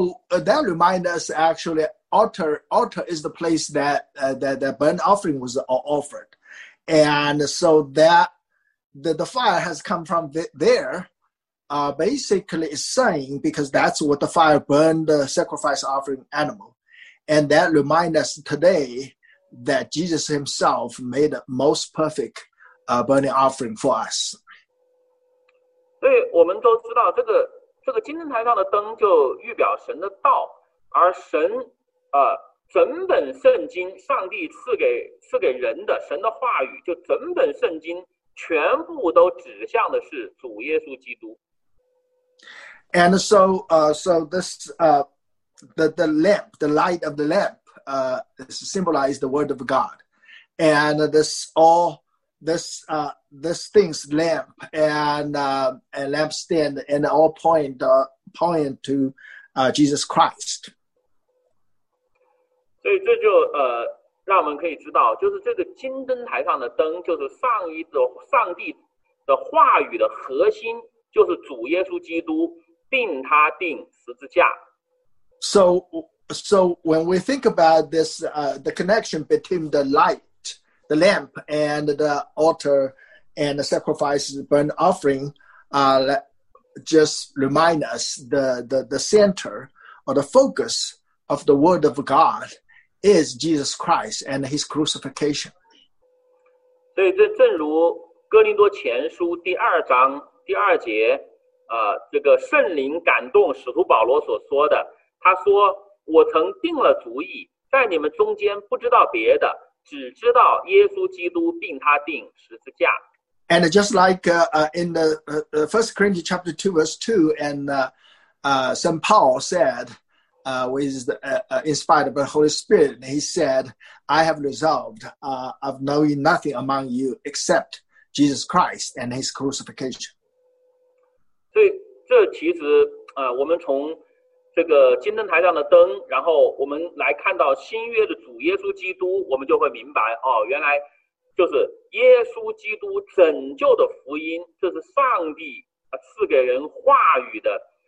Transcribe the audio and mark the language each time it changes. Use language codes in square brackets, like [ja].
[en] That reminds us actually, altar is the place that burnt offering was offered, and so that the fire has come from there. Basically is saying because that's what the fire burned the sacrifice offering animal, and that reminds us today that Jesus himself made the most perfect burning offering for us. [zh] 对，我们都知道这个金灯台上的灯就预表神的道，而神整本圣经上帝赐给人的神的话语，就整本圣经全部都指向的是主耶稣基督。 [en] And so, the lamp, the light of the lamp, symbolizes the word of God, and this lamp and lampstand and all point to Jesus Christ. [zh] 所以这就让我们可以知道，就是这个金灯台上的灯，就是上帝的话语的核心。就是主耶稣基督定他定十字架。 [en] So when we think about this, the connection between the light, the lamp, and the altar, and the sacrifice, burnt offering, just remind us the center or the focus of the word of God is Jesus Christ and His crucifixion. [zh] 对，这正如哥林多前书第二章第二节，这个圣灵感动使徒保罗所说的，他说：“我曾定了主意，在你们中间不知道别的，只知道耶稣基督并他定十字架。” [en] And just like in the First Corinthians chapter 2 verse 2, and Saint Paul said, with inspired by the Holy Spirit, he said, "I have resolved of knowing nothing among you except Jesus Christ and His crucifixion." [zh] 对，这其实我们从这个金灯台上的灯，然后我们来看到新约的主耶稣基督，我们就会明白，哦，原来就是耶稣基督拯救的福音，这是上帝赐给人话语的